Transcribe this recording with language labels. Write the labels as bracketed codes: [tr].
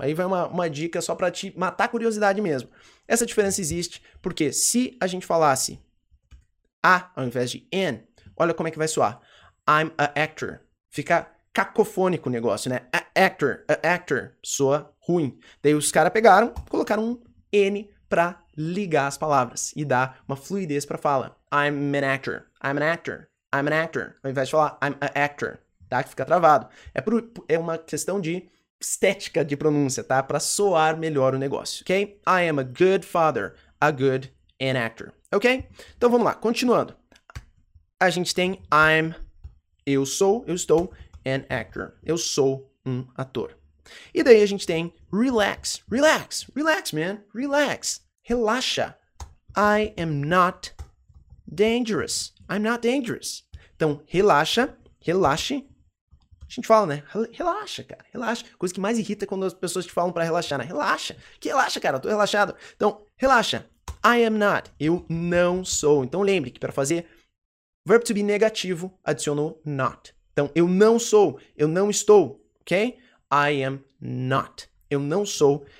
[pt] Aí vai uma dica só para te matar a curiosidade mesmo. Essa diferença existe porque se a gente falasse A ao invés de an, olha como é que vai soar. [en] I'm a actor. [pt] Fica cacofônico o negócio, né? A actor, a actor. Soa ruim. Daí os caras pegaram, colocaram um N pra ligar as palavras e dar uma fluidez pra fala. [en] I'm an actor, I'm an actor, I'm an actor. [pt] Ao invés de falar [en] I'm a actor, [pt] tá? Que fica travado. É uma questão de estética de pronúncia, tá? Pra soar melhor o negócio, ok? [en] I am a good father, a good an actor, ok? [pt] Então vamos lá, continuando. A gente tem I'm, eu sou, eu estou, [en] an actor. [pt] Eu sou um ator. E daí a gente tem [en] relax, relax, relax, man, relax, [pt] relaxa. [en] I am not dangerous, I'm not dangerous. [pt] Então, relaxa, relaxe. A gente fala, né? Relaxa, cara, relaxa. Coisa que mais irrita quando as pessoas te falam pra relaxar, né? Relaxa, que relaxa, cara, eu tô relaxado. Então, relaxa. [en] I am not, [pt] eu não sou. Então, lembre que pra fazer verb to be negativo, adicionou not. Então, eu não sou, eu não estou, ok? [en] I am not. [pt] Eu não sou.